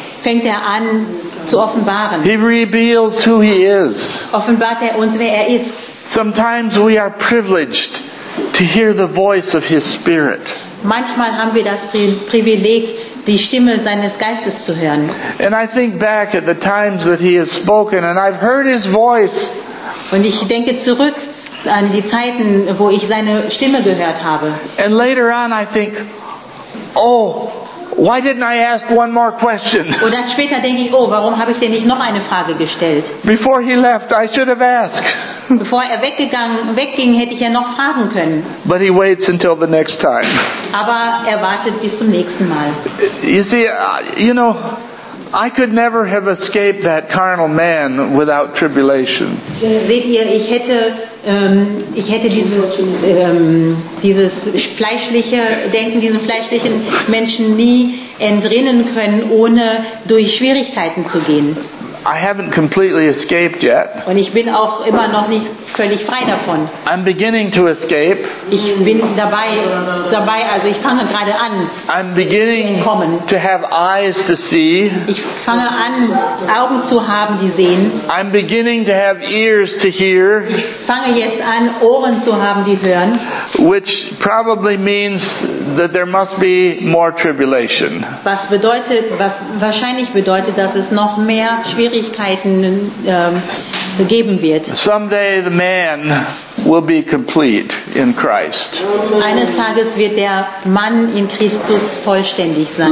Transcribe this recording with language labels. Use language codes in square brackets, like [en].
[de] Fängt an zu offenbaren. [en] He reveals who he is. [de] Offenbart uns, wer ist. [en] Sometimes we are privileged to hear the voice of his spirit. [de] Manchmal haben wir das Privileg, die Stimme seines Geistes zu hören. [en] And I think back at the times that he has spoken and I've heard his voice. [de] Und ich denke zurück an die Zeiten, wo ich seine Stimme gehört habe. [en] And later on I think, oh, why didn't I ask one more question? [de] Und dann später denke ich, oh, warum habe ich dir nicht noch eine Frage gestellt? [en] Before he left, I should have asked. [de] Bevor er wegging, hätte ich ja noch fragen können. [en] But he waits until the next time. [de] Aber er wartet bis zum nächsten Mal. [en] You see, you know, I could never have escaped that carnal man without tribulation. [de] Seht ihr, ich hätte dieses fleischliche Denken, diesen fleischlichen Menschen nie entrinnen können, ohne durch Schwierigkeiten zu gehen. [en] I haven't completely escaped yet. [de] Und ich bin auch immer noch nicht völlig frei davon. [en] I'm beginning to escape. [de] Ich bin dabei, also ich fange gerade an. [en] I'm beginning to have eyes to see. [de] Ich fange an, Augen zu haben, die sehen. [en] I'm beginning to have ears to hear. [de] Ich fange jetzt an, Ohren zu haben, die hören. [en] Which probably means that there must be more tribulation. [de] Was wahrscheinlich bedeutet, dass es noch mehr Schwierigkeiten geben wird. [en] Someday the man will be complete in Christ. [de] Eines Tages wird der Mann in Christus vollständig sein.